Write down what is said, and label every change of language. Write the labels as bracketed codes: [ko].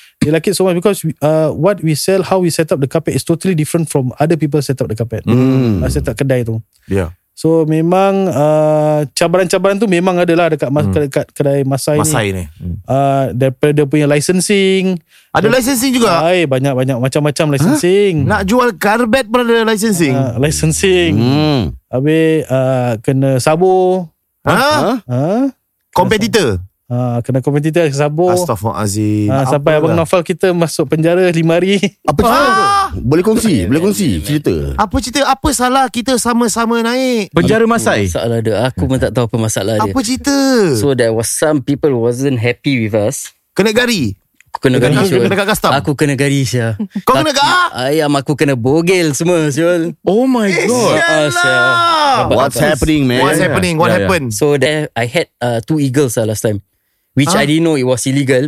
[en] They like it so much because what we sell, how we set up the carpet is totally different from other people set up the carpet. [ms] Set up kedai tu. [en] Yeah. [ms] So memang cabaran-cabaran tu memang adalah dekat dekat kedai Masai ni. Daripada dia punya licensing. Ada licensing juga? Banyak-banyak macam-macam licensing. Huh? Nak jual carpet pun ada licensing? Licensing. Habis kena sabur. Competitor? Kena kompetitor sabuk. Astaghfirullahaladzim. Sampai Abang Naufal kita masuk penjara 5 hari. Apa cerita? Boleh kongsi? Boleh kongsi cerita? Apa cerita? Apa salah kita sama-sama naik penjara Masai? Masalah dia. Aku pun tak tahu apa masalah dia. Apa cerita? [en] So there was some people wasn't happy with us. [ms] Kena gari? Kena gari. Kena kat custom? Aku kena gari. Kau kena gak? Ayam aku kena bogel semua. [en] Oh my god. What's happening? What happened? So there I had 2 eagles last time. Which I didn't know it was illegal.